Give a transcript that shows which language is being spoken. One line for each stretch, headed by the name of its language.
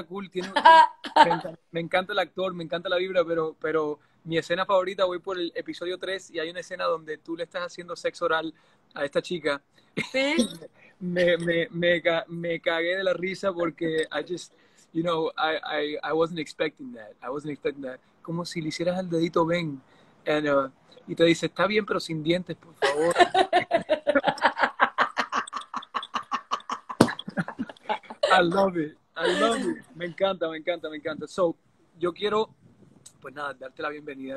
Spanish: Tiene, me encanta el actor, me encanta la vibra, pero mi escena favorita, voy por el episodio 3 y hay una escena donde tú le estás haciendo sexo oral a esta chica. Sí. Me cagué de la risa porque
English: I wasn't expecting that.
Spanish: Como si le hicieras el dedito Ben y te dice, está bien, pero sin dientes, por favor.
English: I love it.
Spanish: Me encanta. So, yo quiero, pues nada, darte la bienvenida.